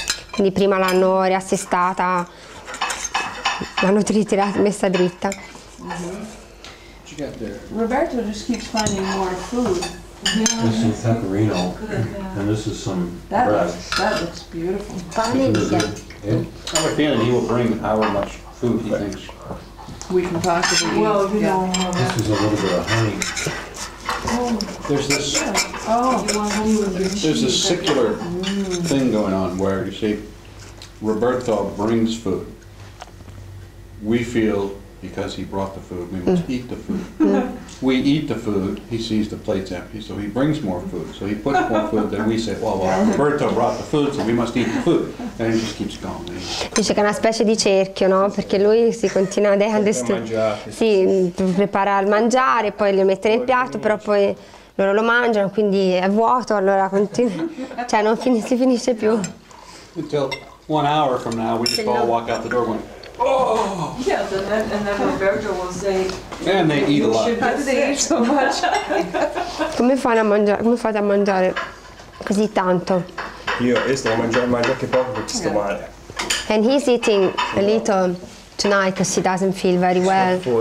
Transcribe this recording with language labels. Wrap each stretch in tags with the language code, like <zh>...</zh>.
<it>Quindi prima l'hanno riassestata, l'hanno tritirata, messa dritta.</it> <en>Mm-hmm. Roberto just keeps finding more food. This is some pecorino, and this is some that bread. That looks beautiful.</en> <it>Pane di</it> <en>I have a feeling he will bring however much food he thinks. We can possibly eat. Well, you know. This is a little bit of honey. Oh. There's this. Yeah. Oh. There's this circular thing going on where you see, Roberto brings food. We feel. Because he brought the food, we must eat the food. We eat the food, he sees the plates empty, so he brings more food. So he puts more food, then we say, well, Roberto brought the food, so we must eat the food. And he just keeps going.</en> <it>Dice che è una specie di cerchio, no? Perché lui si continua ad andare. Sì, prepara il mangiare, poi lo mette nel piatto, però poi loro lo mangiano, quindi è vuoto, allora continua. Cioè, non si finisce più.</it> <en>Until 1 hour from now, we just all walk out the door going, oh! Yeah, then Roberto will say. And they eat a lot. How do they eat so much?</en> <it>Come fate a mangiare così tanto? Io sto mangiando anche poco perché sto male.</it> <en>And he's eating a little tonight because he doesn't feel very well.</en>